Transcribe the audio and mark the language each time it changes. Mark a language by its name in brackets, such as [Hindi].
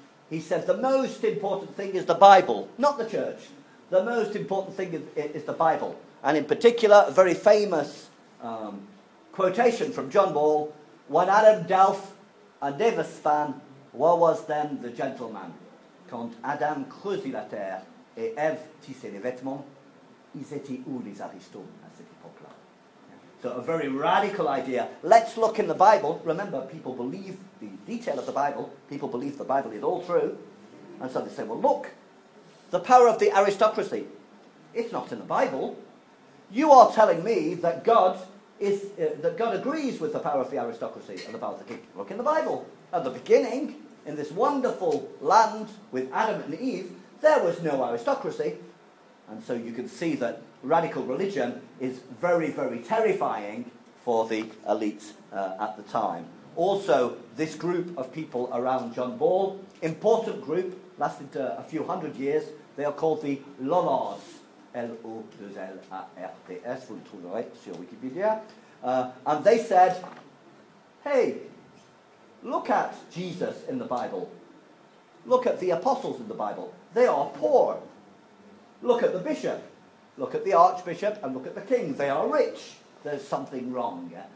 [English] He said the most important thing is the Bible, not the church. The most important thing is the Bible. And in particular, a very famous quotation from John Ball, when Adam Delf and Eva span, what was then the gentleman? [French] Quand Adam creusit la terre, et Eve tissait les vêtements, ils étaient où les aristos à cette époque-là? [English] So a very radical idea. Let's look in the Bible. Remember, people believe the detail of the Bible. People believe the Bible is all true. And so they say, well, look, the power of the aristocracy. It's not in the Bible. You are telling me that God agrees with the power of the aristocracy and the power of the king. Look in the Bible. At the beginning, in this wonderful land with Adam and Eve, there was no aristocracy. And so you can see that radical religion is very, very terrifying for the elites at the time. Also, this group of people around John Ball, important group, lasted a few hundred years. They are called the Lollards. [French] L-O-2-L-A-R-T-S, vous le trouverez sur Wikipédia. [English] And they said, hey, look at Jesus in the Bible. Look at the apostles in the Bible. They are poor. Look at the bishop. Look at the archbishop and look at the king. They are rich. There's something wrong. Yeah?